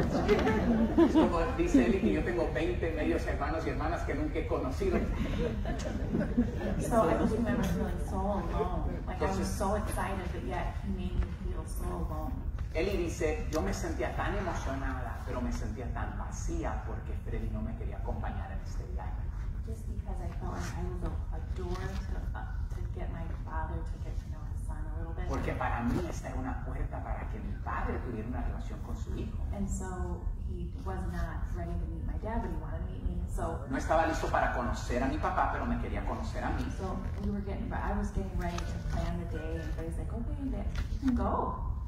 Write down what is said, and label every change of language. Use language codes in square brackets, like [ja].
[en] and sisters he's never met. [es] Es como dice Eli que yo tengo 20 medios hermanos y hermanas que nunca he conocido. [en] So I just remember feeling so alone. Like, entonces, I was so excited, but yet he made me feel so alone. [es] Eli dice, yo me sentía tan emocionada, pero me sentía tan vacía porque Freddy no me quería acompañar en este viaje. [en] Just because I felt like I was a door to get my father to get to know his son a little bit. [es] Porque para mí esta era una puerta para que mi padre tuviera una relación con su hijo. [en] And so he was not ready to meet my dad, but he wanted to meet me. So [es] no estaba listo para conocer a mi papá, pero me quería conocer a mí. [en] So we were getting, but I was getting ready to plan the day, and he's like, okay, you can go.